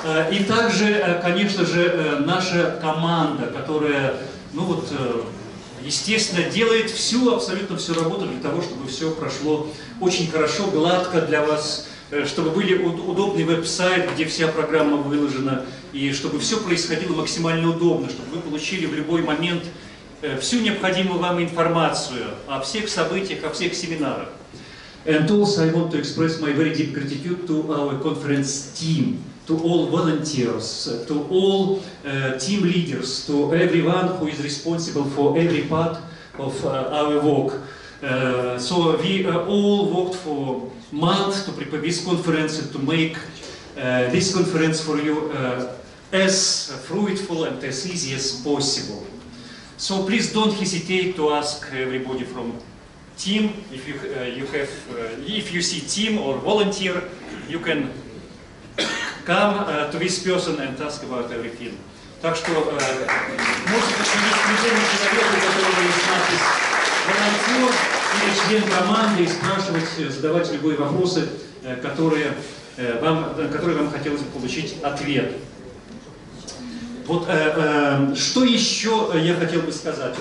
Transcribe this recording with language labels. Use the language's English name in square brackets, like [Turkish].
[Russian] И также, конечно же, наша команда, которая, ну вот, естественно, делает всю, абсолютно всю работу для того, чтобы все прошло очень хорошо, гладко для вас, чтобы были удобный веб-сайт, где вся программа выложена, и чтобы все происходило максимально удобно, чтобы вы получили в любой момент всю необходимую вам информацию о всех событиях, о всех семинарах. [English] And also I want to express my very deep gratitude to our conference team, to all volunteers, to all team leaders, to everyone who is responsible for every part of our work. So we all worked for months to prepare this conference and to make this conference for you as fruitful and as easy as possible. So please don't hesitate to ask everybody from team, if you if you see team or volunteer, you can come to this person and ask about everything. [Russian] Так что, можете посмотреть включение человека, который есть у нас здесь волонтер или член команды, и спрашивать, задавать любые вопросы, которые вам хотелось бы получить ответ. Вот что еще я хотел бы сказать.